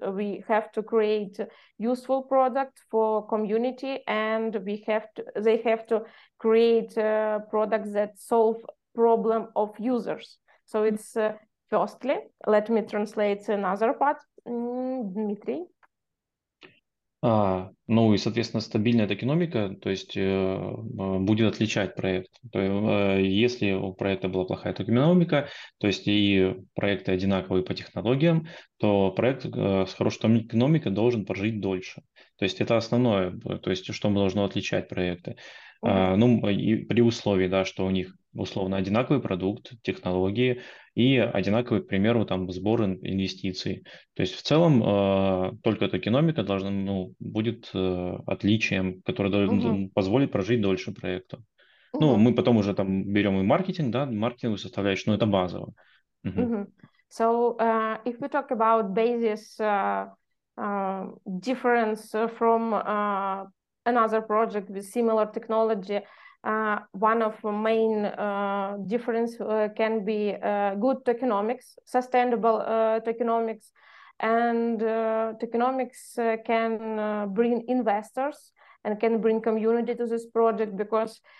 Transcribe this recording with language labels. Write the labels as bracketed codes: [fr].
[en] We have to create a useful product for community, and we have to, they have to create products that solve problem of users. So it's firstly, let me translate another part, Dmitry. [ru] Ну и, соответственно, стабильная токеномика, то есть будет отличать проект. То есть, если у проекта была плохая токеномика, то есть и проекты одинаковые по технологиям, то проект с хорошей токеномикой должен прожить дольше. То есть это основное, то есть что должно отличать проекты. Ну и при условии, да, что у них условно одинаковый продукт, технологии и одинаковые, к примеру, там сборы инвестиций. То есть в целом только токеномика должна, ну, будет отличием, которое позволит прожить дольше проекту. Ну, мы потом уже там берем и маркетинг, да, маркетинговую составляющую, но это базово. [en] So if we talk about basis difference from another project with similar technology, one of the main difference can be good tokenomics, sustainable tokenomics, and tokenomics can bring investors and can bring community to this project, because